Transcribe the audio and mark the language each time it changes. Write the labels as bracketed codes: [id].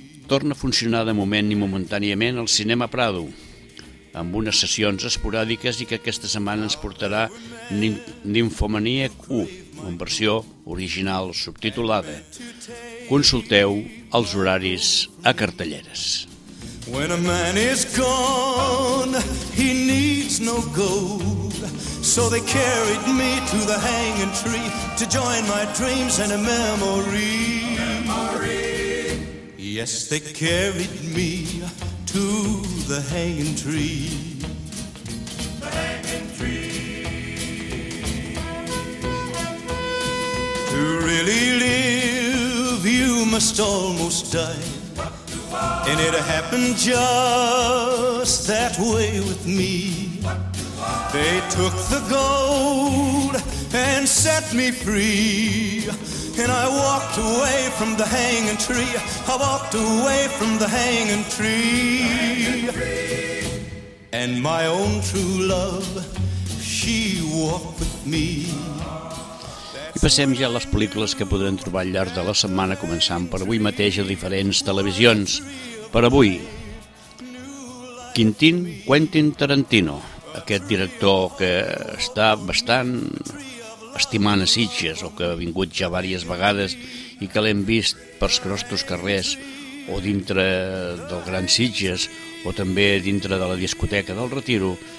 [ca] Torna a funcionar de moment i momentàniament el cinema Prado, amb unes sessions esporàdiques i que aquesta setmana ens portarà Nymphomaniac 1, en versió original subtitulada. Consulteu els horaris a cartelleres. [en] When a man is gone, he needs no gold. So they carried me to the hanging tree to join my dreams and a memory. Yes, they carried me to the hanging tree. To really live, you must almost die. And it happened just that way with me. They took the gold and set me free. And I walked away from the hanging tree. I walked away from the hanging tree. And my own true love, she walked with me. [ca] Passem ja a les pel·lícules que podrem trobar al llarg de la setmana, començant per avui mateix a diferents televisions. Per avui, Quentin Tarantino, aquest director que està bastant estimant a Sitges, o que ha vingut ja diverses vegades i que l'hem vist pels crostos carrers o dintre del Gran Sitges o també dintre de la discoteca del Retiro,